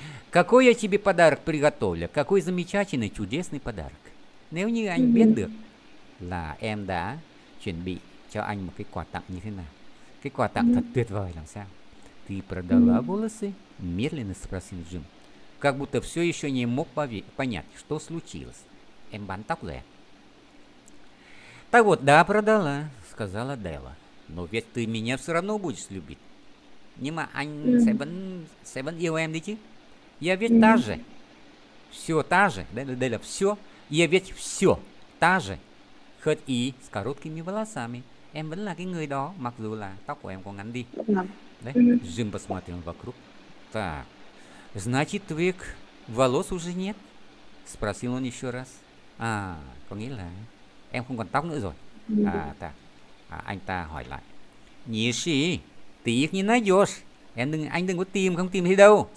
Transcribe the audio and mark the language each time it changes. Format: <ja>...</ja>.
<ru>Какой я тебе подарок приготовлю? Какой замечательный, чудесный подарок.</ru> <vi>Nếu như anh biết được là em đã chuẩn bị cho anh một cái quà tặng như thế nào. Cái quà tặng thật tuyệt vời làm sao?</vi> <ru>Ты продала волосы? Медленно спросил Джим. Как будто все еще не мог понять, что случилось.</ru> <vi>Em bán tóc rồi.</vi> <ru>Так вот, да, продала, сказала Дела. Но ведь ты меня все равно будешь любить.</ru> <vi>Nhưng mà anh sẽ vẫn yêu em đấy chứ.</vi> <ru>Я ведь та же. Все та же. Дела, все. Я ведь все та же. Хоть и с короткими волосами.</ru> <vi>Em vẫn là cái người đó, mặc dù là tóc của em có ngắn đi.</vi> <ru>Đấy, Джим посмотрел вокруг. Так. Значит, твоих волос уже нет? Спросил он еще раз.</ru> <vi>Có nghĩa là em không còn tóc nữa rồi. Anh ta hỏi lại. Như gì?</vi> <ru>Ты их не найдешь.</ru> <vi>Anh đừng có tìm, không tìm thấy đâu.</vi>